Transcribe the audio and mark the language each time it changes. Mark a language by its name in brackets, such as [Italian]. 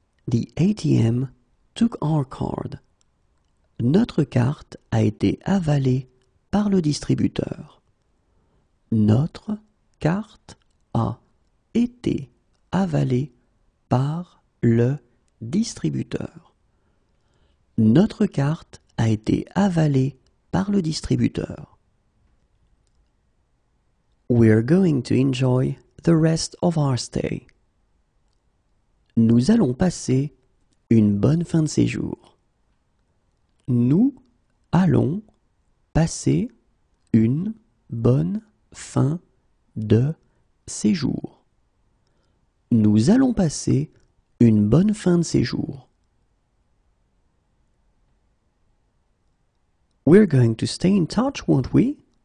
[English] The ATM took our card. [French] Notre carte a été avalée par le distributeur. Notre carte a été avalée par le distributeur. Notre carte a été avalée par le distributeur. [English] We're going to enjoy the rest of our stay. [French] Nous allons passer une bonne fin de séjour. Nous allons passer une bonne fin de séjour. Nous allons passer une bonne fin de séjour. [English] We're going to stay in touch, won't we?